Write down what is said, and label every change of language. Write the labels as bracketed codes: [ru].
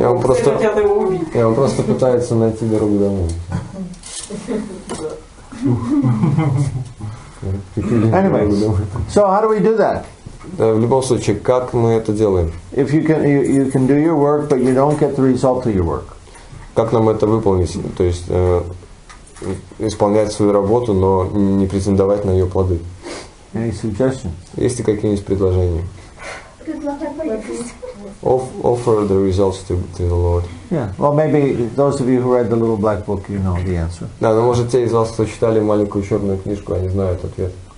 [ru] Я просто пытается найти дорогу домой. [en] Anyway, so how do we do that? [ru] В любом случае, как мы это делаем? [en] If you can, you can do your work, but you don't get the result of your work. [ru] Как нам это выполнить? То есть исполнять свою работу, но не претендовать на ее плоды. [en] Any suggestions? [ru] Есть ли какие-нибудь предложения? [en] Offer the results to the Lord. Yeah. Well, maybe those of you who read the little black book, you know the answer. [ru] Да, но может те из вас, кто читали маленькую черную книжку, они знают ответ.